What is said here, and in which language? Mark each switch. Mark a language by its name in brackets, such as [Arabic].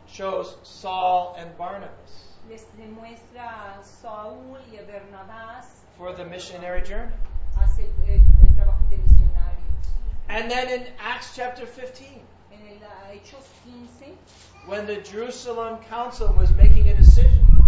[English] shows Saul and Barnabas, [Spanish] les demuestra a Saul y a Bernabás, [English] for the missionary journey. [Spanish] Hace el trabajo de misionarios. [English] And then in Acts chapter 15, [Spanish] en el Hechos 15, [English] when the Jerusalem Council was making a decision,